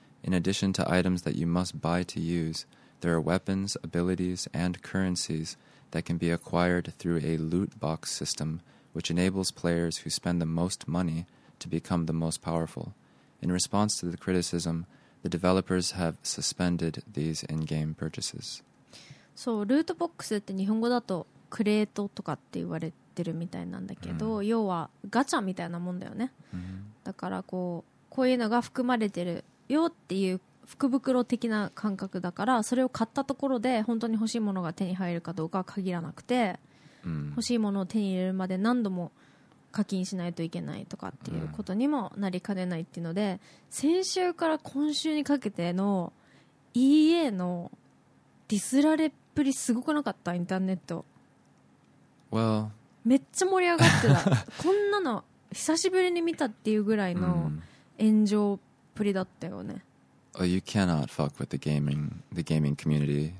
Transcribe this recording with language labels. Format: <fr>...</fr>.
<en>In addition to items that you must buy to use, there are weapons, abilities, and currencies that can be acquired through a loot box system, which enables players who spend the most money to become the most powerful. In response to the criticism, the developers have suspended these in-game purchases.</en> <ja>そう、ルートボックスって日本語だとクレートとかって言われてるみたいなんだけど、うん、要はガチャみたいなもんだよね、うん、だからこういうのが含まれてるよっていう福袋的な感覚だから、それを買ったところで本当に欲しいものが手に入るかどうかは限らなくて、うん、欲しいものを手に入れるまで何度も課金しないといけないとかっていうことにもなりかねないっていうので、先週から今週にかけての EA のディスられっぷりすごくなかった、インターネット、</ja> <en>well,</en> <ja>めっちゃ盛り上がってたこんなの久しぶりに見たっていうぐらいの炎上っぷりだったよね。</ja> <en>Oh, you cannot fuck with the gaming community.</en>